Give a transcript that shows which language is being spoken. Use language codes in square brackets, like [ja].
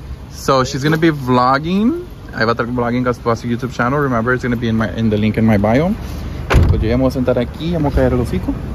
[en] So she's gonna be vlogging. [es] Ahí va a estar vlogging hasta su YouTube channel. [en] Remember, it's gonna be in the link in my bio. [es] Pues yo ya me voy a sentar aquí, ya me voy a caer el hocico.